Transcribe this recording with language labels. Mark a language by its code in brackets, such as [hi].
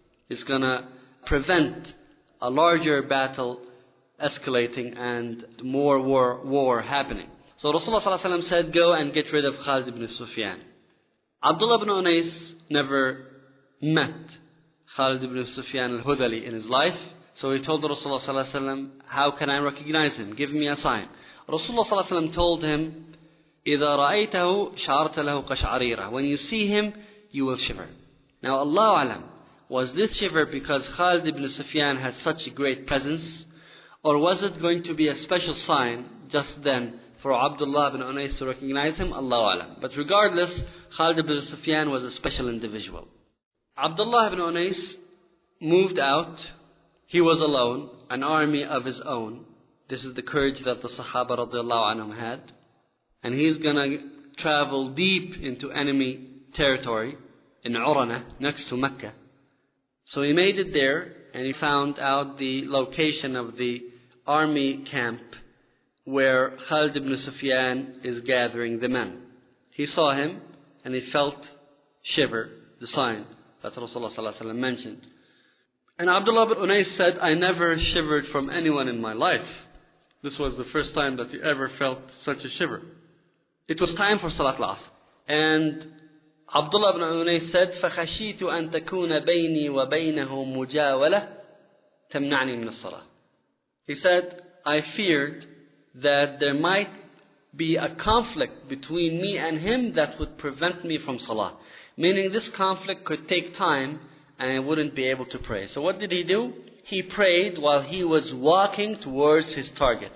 [en] It's going to prevent a larger battle escalating and more war happening. So Rasulullah ﷺ said, go and get rid of Khalid ibn Sufyan. Abdullah ibn Unais never met Khalid ibn Sufyan al-Hudali in his life. So he told Rasulullah ﷺ, how can I recognize him? Give me a sign. Rasulullah ﷺ told him, [ar] إِذَا رَأَيْتَهُ شَعَرْتَ لَهُ قَشْعَرِيرًا. [en] When you see him, you will shiver. Now Allahu alam, was this shiver because Khalid ibn Sufyan had such a great presence? Or was it going to be a special sign just then for Abdullah ibn Unais to recognize him? Allahu alam. But regardless, Khalid ibn Sufyan was a special individual. Abdullah ibn Unais moved out. He was alone, an army of his own. This is the courage that the Sahaba radiallahu anhum had. And he's going to travel deep into enemy territory in Urana, next to Mecca. So he made it there, and he found out the location of the army camp where Khalid ibn Sufyan is gathering the men. He saw him, and he felt shiver, the sign that Rasulullah ﷺ mentioned. And Abdullah ibn Unais said, I never shivered from anyone in my life. This was the first time that he ever felt such a shiver. It was time for Salat al-Asr. And Abdullah ibn Unais said, [ar] فَخَشِيتُ أَن تَكُونَ بَيْنِي وَبَيْنَهُ مُجَاوَلَةً تَمْنَعْنِي مِنَ الصَّلَاةِ. [en] He said, I feared that there might be a conflict between me and him that would prevent me from Salah. Meaning this conflict could take time and I wouldn't be able to pray. So what did he do? He prayed while he was walking towards his target.